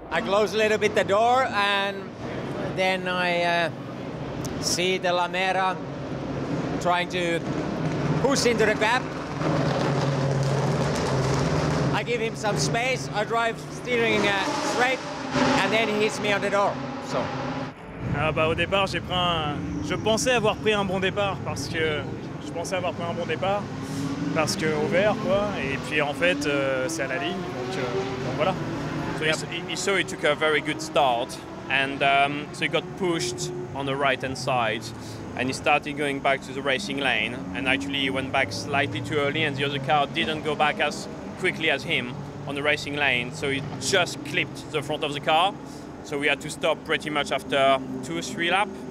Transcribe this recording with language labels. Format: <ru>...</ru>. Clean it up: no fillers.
<en>I close a little bit the door, and then I see the Lamera trying to push into the gap. I give him some space. I drive steering straight, and then he hits me on the door. So.</en> <fr>Ah bah au départ j'ai pris un... je pensais avoir pris un bon départ parce que je pensais avoir pris un bon départ. Parce que au vert quoi, et puis en fait c'est à la ligne, donc voilà.</fr> <en>So he saw he took a very good start, and so he got pushed on the right hand side, and he started going back to the racing lane, and actually he went back slightly too early, and the other car didn't go back as quickly as him on the racing lane, so he just clipped the front of the car, so we had to stop pretty much after two, three laps.</en>